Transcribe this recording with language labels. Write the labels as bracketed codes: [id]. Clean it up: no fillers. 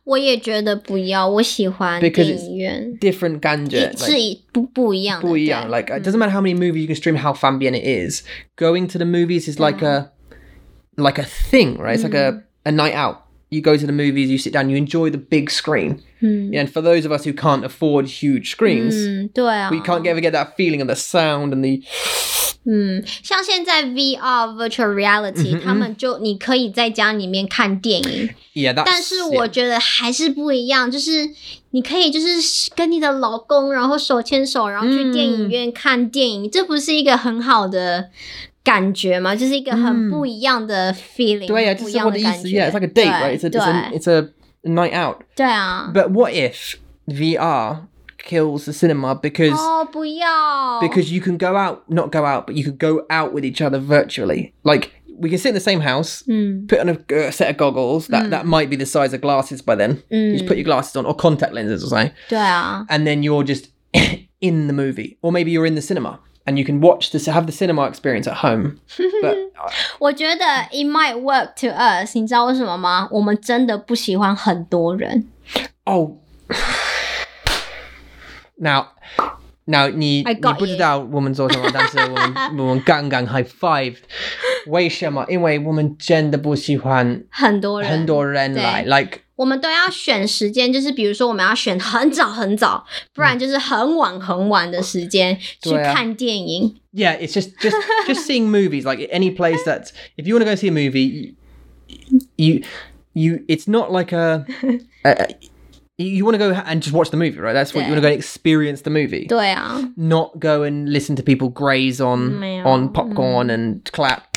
[zh] 我也觉得不要我喜欢电影院 [en] Because it's different [zh] 感觉不一样 [en] Like it doesn't matter how many movies you can stream, how [zh] 方便 [en] it is. Going to the movies is like a thing, right? It's like a night out. You go to the movies, you sit down, you enjoy the big screen. Yeah, and for those of us who can't afford huge screens, we can't ever get that feeling of the sound and the... [zh] 像现在 VR, [en] virtual reality, [zh] 他们就你可以在家里面看电影。 [en] Yeah, that's... [zh] 但是我觉得还是不一样，就是你可以就是跟你的老公然后手牵手然后去电影院看电影，这不是一个很好的感觉吗？就是一个很不一样的 feeling, 对啊，就是我的意思, [en] yeah, it's like a date, right? It's a night out. Yeah. But what if VR kills the cinema because... [zh] Oh, 不要! [en] Because you can go out, not go out, but you could go out with each other virtually. Like, we can sit in the same house, put on a set of goggles that, that might be the size of glasses by then. You just put your glasses on, or contact lenses, or something. [zh] 对啊. [en] And then you're just in the movie. Or maybe you're in the cinema. And you can watch this, have the cinema experience at home. But, [zh] 我觉得 [en] it might work to us. [zh] 你知道为什么吗? 我们真的不喜欢很多人. [en] Oh. Now, now, [zh] 你不知道我们做什么, 但是我们刚刚 [en] high five. [zh] 为什么? 因为我们真的不喜欢很多人来. [en] Like, [zh] 我们都要选时间，就是比如说我们要选很早很早， 不然就是很晚很晚的时间 去看电影。 [en] Yeah, it's just seeing movies. Like any place that's... If you want to go see a movie, you it's not like a... you want to go and just watch the movie, right? That's what you want to go and experience the movie. [zh] 对啊. [en] Not go and listen to people graze on, popcorn and clap.